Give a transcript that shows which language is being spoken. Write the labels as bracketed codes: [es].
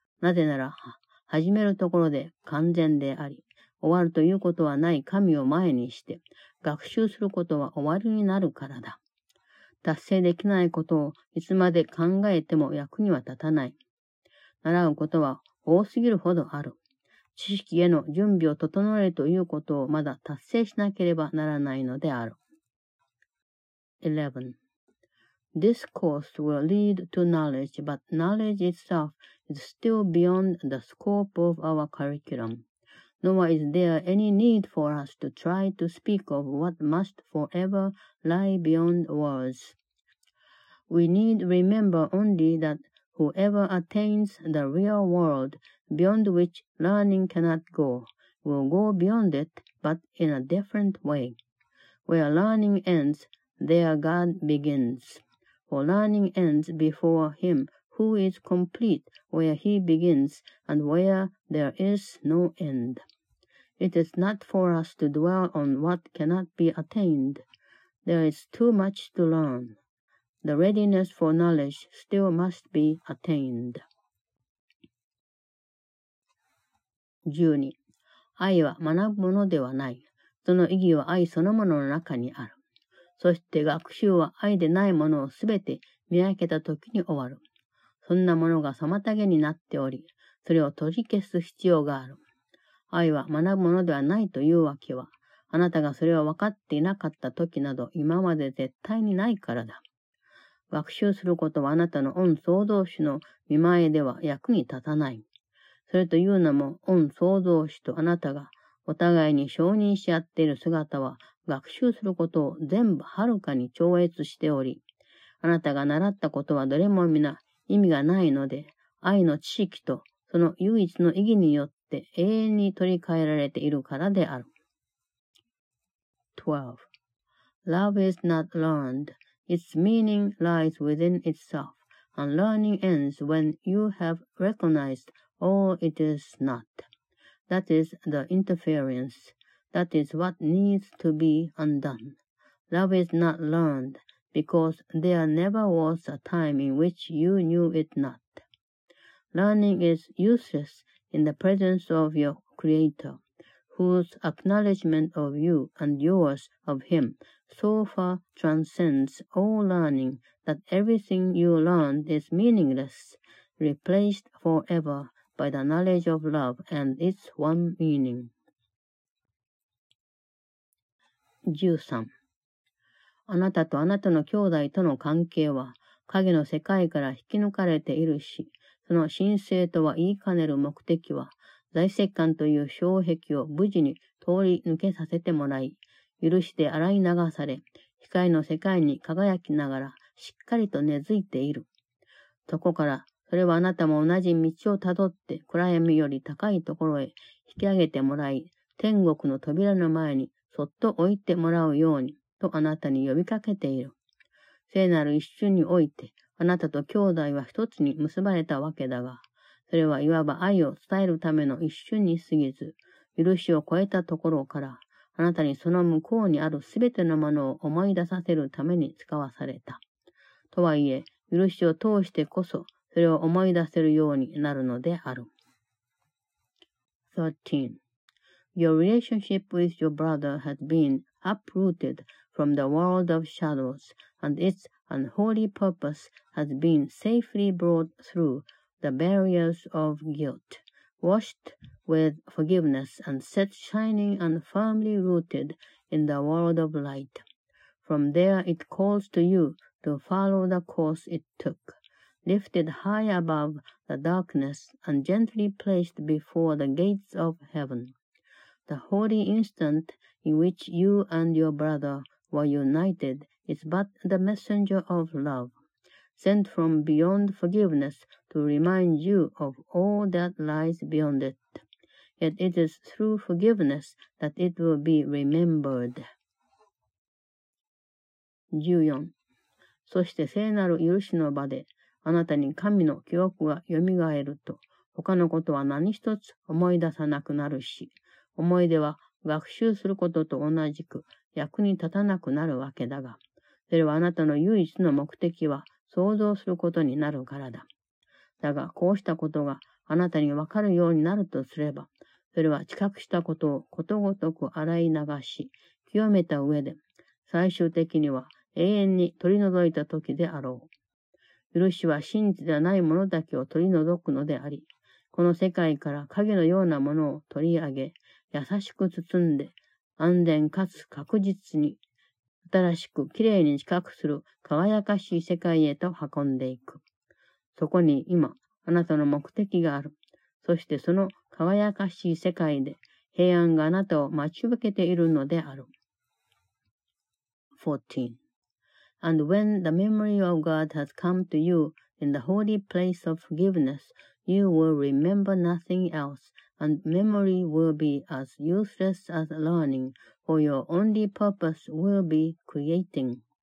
[ja] なぜなら、始めるところで完全であり、終わるということはない神を前にして、学習することは終わりになるからだ。達成できないことをいつまで考えても役には立たない。習うことは多すぎるほどある。知識への準備を整えるということをまだ達成しなければならないのである。 [en] 11. This course will lead to knowledge, but knowledge itself is still beyond the scope of our curriculum. Nor is there any need for us to try to speak of what must forever lie beyond words. We need remember only that whoever attains the real world, beyond which learning cannot go, will go beyond it, but in a different way. Where learning ends, there God begins. For learning ends before him who is complete where he begins and where there is no end. It is not for us to dwell on what cannot be attained. There is too much to learn. The readiness for knowledge still must be attained. [ja] 12. 愛は学ぶものではない。その意義は愛そのものの中にある。そして学習は愛でないものをすべて見分けた時に終わる。そんなものが妨げになっており、それを取り消す必要がある。愛は学ぶものではないというわけは、あなたがそれを分かっていなかった時など今まで絶対にないからだ。学習することはあなたの御創造主の見前では役に立たない。それというのも、御創造主とあなたがお互いに承認し合っている姿は、学習することを全部はるかに超越しており、あなたが習ったことはどれも皆意味がないので、愛の知識とその唯一の意義によって永遠に取り替えられているからである。 [en] 12.Love is not learned. Its meaning lies within itself, and learning ends when you have recognized all it is not. That is the interference. That is what needs to be undone. Love is not learned, because there never was a time in which you knew it not. Learning is useless in the presence of your Creator, whose acknowledgement of you and yours of him so far transcends all learning that everything you learned is meaningless, replaced forever. By the knowledge of love and its one meaning. [ja] 13. あなたとあなたの兄弟との関係は影の世界から引き抜かれているし、その神聖とは言いかねる目的は、在石管という障壁を無事に通り抜けさせてもらい、許して洗い流され、光の世界に輝きながらしっかりと根付いている。そこから、それはあなたも同じ道をたどって暗闇より高いところへ引き上げてもらい、天国の扉の前にそっと置いてもらうようにとあなたに呼びかけている。聖なる一瞬においてあなたと兄弟は一つに結ばれたわけだが、それはいわば愛を伝えるための一瞬に過ぎず、許しを超えたところからあなたにその向こうにあるすべてのものを思い出させるために使わされた。とはいえ、許しを通してこそそれを思い出せるようになるのである。 [en] 13. Your relationship with your brother had been uprooted from the world of shadows, and its unholy purpose has been safely brought through the barriers of guilt, washed with forgiveness and set shining and firmly rooted in the world of light. From there it calls to you to follow the course it took. Lifted high above the darkness and gently placed before the gates of heaven. The holy instant in which you and your brother were united is but the messenger of love, sent from beyond forgiveness to remind you of all that lies beyond it. Yet it is through forgiveness that it will be remembered. [ja] 14. そして聖なる許しの場で、あなたに神の記憶がよみがえると、他のことは何一つ思い出さなくなるし、思い出は学習することと同じく役に立たなくなるわけだが、それはあなたの唯一の目的は想像することになるからだ。だが、こうしたことがあなたにわかるようになるとすれば、それは知覚したことをことごとく洗い流し、清めた上で、最終的には永遠に取り除いた時であろう。許しは真実ではないものだけを取り除くのであり、この世界から影のようなものを取り上げ、優しく包んで、安全かつ確実に、新しくきれいに近くする輝かしい世界へと運んでいく。そこに今、あなたの目的がある。そしてその輝かしい世界で、平安があなたを待ち受けているのである。 [en] 14. And when the memory of God has come to you in the holy place of forgiveness, you will remember nothing else, and memory will be as useless as learning, for your only purpose will be creating.